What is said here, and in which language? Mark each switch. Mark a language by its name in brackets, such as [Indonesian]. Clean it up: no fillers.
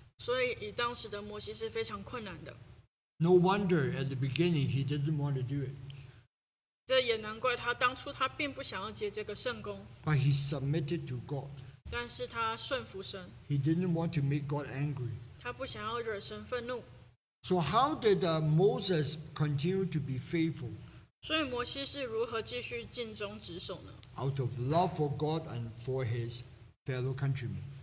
[Chinese] 所以当时的摩西是非常困难的。No [English] wonder at the beginning he didn't want to do it. [Chinese] 这也难怪他当初他并不想要接这个圣工。 [English] But he submitted to God. [Chinese] 但是他顺服神, [English] he didn't want to make God angry. [Chinese] 他不想要惹神愤怒。 [English] So how did Moses continue to be faithful? [Chinese] 所以摩西是如何继续尽忠职守呢? [English] Out of love for God and for his fellow countrymen.